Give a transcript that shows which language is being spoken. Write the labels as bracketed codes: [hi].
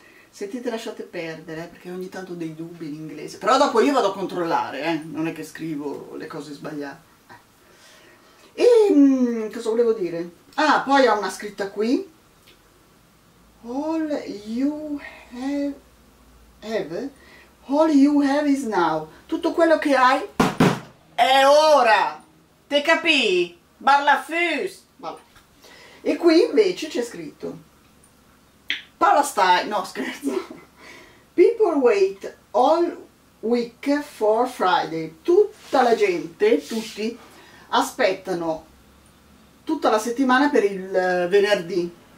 [it] Sentite, lasciate perdere, perché ogni tanto ho dei dubbi in inglese. Però dopo io vado a controllare, Non è che scrivo le cose sbagliate. E cosa volevo dire? Ah, poi ho una scritta qui. [en] All you have, all you have is now. [it] Tutto quello che hai è ora. Te capì? Barlafus. E qui invece c'è scritto Palestine, no scherzo, [en] people wait all Week for Friday. [it] Tutta la gente, tutti, aspettano tutta la settimana per il venerdì.